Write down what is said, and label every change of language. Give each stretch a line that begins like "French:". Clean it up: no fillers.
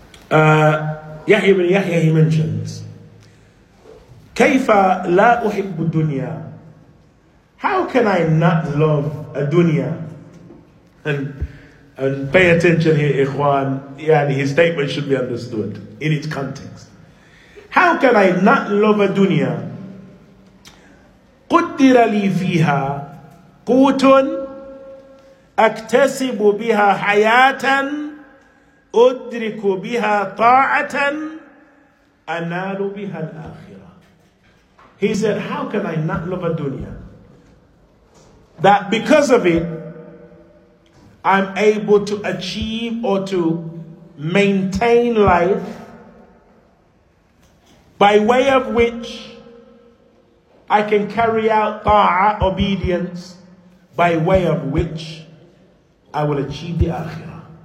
Arabic: Yahya ibn Yahya,
English: he mentions,
Arabic: كيف لا أحب الدنيا?
English: How can I not love a dunya? And pay attention here, إخوان. يعني his statement should be understood in its context. How can I not love a dunya?
Arabic: قدر لي فيها قوت أكتسب بها حياة أدرك بها طاعة أنال بها الآخرة.
English: He said, how can I not love a dunya? That because of it, I'm able to achieve or to maintain life, by way of which I can carry out ta'a, obedience, by way of which I will achieve the akhirah.